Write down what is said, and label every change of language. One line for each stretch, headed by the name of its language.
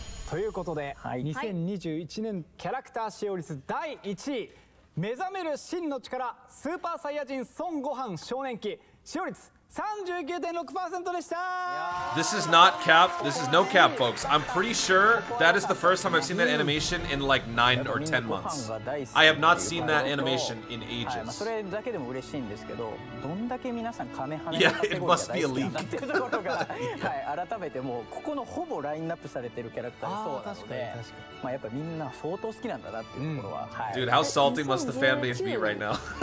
Japanese: ということで、はい、2021年キャラクター使用率第1位、目覚める真の力スーパーサイヤ人孫悟飯少年期使用率 39.6% でした。
English: This is not cap. This is no cap, folks. I'm pretty sure that is the first time I've seen that animation in like 9 or 10 months. I have not seen that animation in ages.
Japanese: それだけでも嬉しいんですけど、どんだけ皆さんカメハメ、
English: Yeah, it must be a leak.
Japanese: はい、改めてもうここのほぼラインナップされてるキャラクターもそうなので、確かに確かに、まあやっぱみんな相当好きなんだなっていうところは、はい、
English: Dude, how salty must the fan base be right now?